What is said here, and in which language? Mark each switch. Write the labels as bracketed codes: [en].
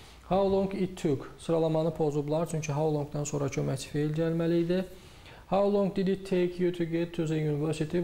[en] How long it took? [az] Sıralamanı pozublar. Çünki how long'dan sonra köməkçi feil gəlməli idi. [en] How long did it take you to get to the university?